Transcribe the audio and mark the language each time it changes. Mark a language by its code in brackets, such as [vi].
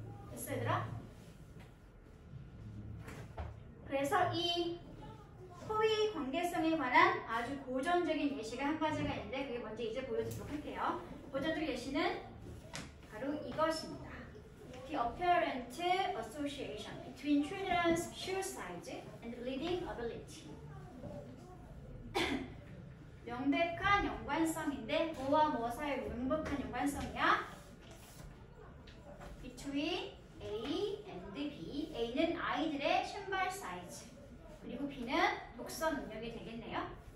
[ko] 됐어 얘들아? 그래서 이 허위 관계성에 관한 아주 고전적인 예시가 한 가지가 있는데 그게 뭔지 이제 보여드리도록 할게요. 고전적 예시는 바로 이것입니다. [en] The apparent association between children's shoe size and reading ability. [ko] 명백한 연관성인데 뭐와 뭐 사이의 명백한 연관성이야? [en] Between A and B. [ko] A는 아이들의 신발 사이즈 그리고 B는 독서 능력이 되겠네요.